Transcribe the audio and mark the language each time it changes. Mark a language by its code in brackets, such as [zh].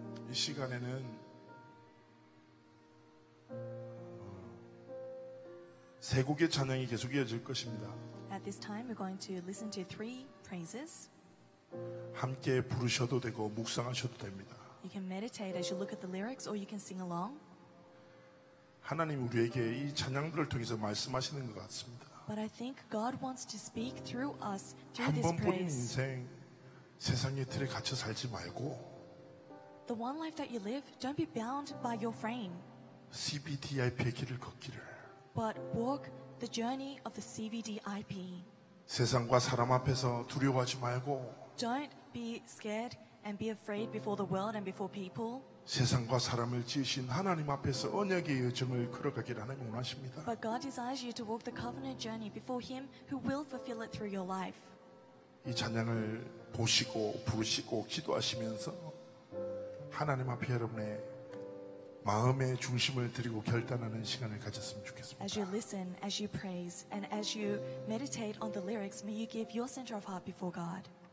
[ko] 이 시간에는 세 곡의 찬양이 계속 이어질 것입니다. [en] At this time, we're going to listen to three praises. [ko] 함께 부르셔도 되고 묵상하셔도 됩니다. [en] You can meditate as you look at the lyrics or you can sing along. [ko] 하나님 우리에게 이 찬양들을 통해서 말씀하시는 것 같습니다. [en] But I think God wants to speak through us through this praise. [ko] 한 번뿐인 인생 세상의 틀에 갇혀 살지 말고 [en] The one life that you live, don't be bound by your frame. [ko] CBDIP의 길을 걷기를 [en] But walk the journey of the CBDIP. [ko] 세상과 사람 앞에서 두려워하지 말고 [en] Don't be scared and be afraid before the world and before people. [ko] 세상과 사람을 지으신 하나님 앞에서 언약의 여정을 걸어가길 하나님 원하십니다. [en] But God desires you to walk the covenant journey before Him who will fulfill it through your life. [ko] 이 찬양을 보시고 부르시고 기도하시면서 하나님 앞에 여러분의 마음의 중심을 드리고 결단하는 시간을 가졌으면 좋겠습니다. [en] As you listen, as you praise, and as you meditate on the lyrics, may you give your center of heart before God.